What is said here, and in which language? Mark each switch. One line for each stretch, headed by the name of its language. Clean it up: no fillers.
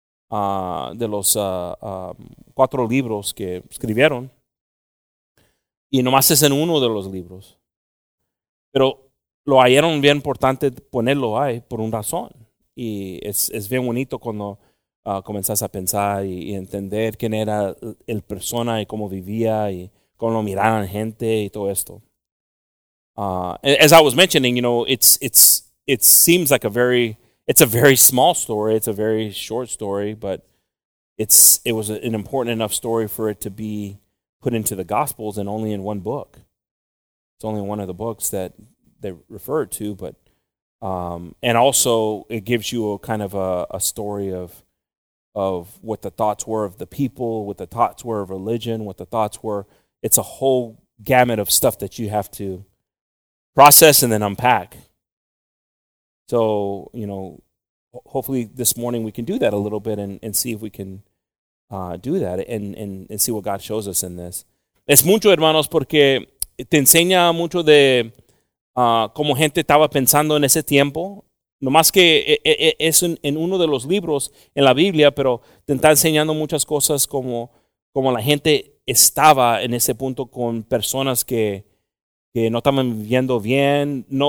Spanish: De los cuatro libros que escribieron, y nomás es en uno de los libros. Pero lo hallaron bien importante ponerlo ahí por una razón, y es bien bonito cuando comenzás a pensar y entender quién era el persona y cómo vivía y cómo lo miraban gente y todo esto.
English: As I was mentioning, you know, it seems like a very... It's a very small story. It's a very short story, but it was an important enough story for it to be put into the Gospels and only in one book. It's only one of the books that they refer to, but and also it gives you a kind of a story of what the thoughts were of the people, what the thoughts were of religion, what the thoughts were. It's a whole gamut of stuff that you have to process and then unpack. So, you know, hopefully this morning we can do that a little bit and see if we can do that and see what God shows us in this.
Spanish: Es mucho, hermanos, porque te enseña mucho de cómo gente estaba pensando en ese tiempo. No más que es en uno de los libros en la Biblia, pero te está enseñando muchas cosas como la gente estaba en ese punto con personas que no estaban viviendo bien.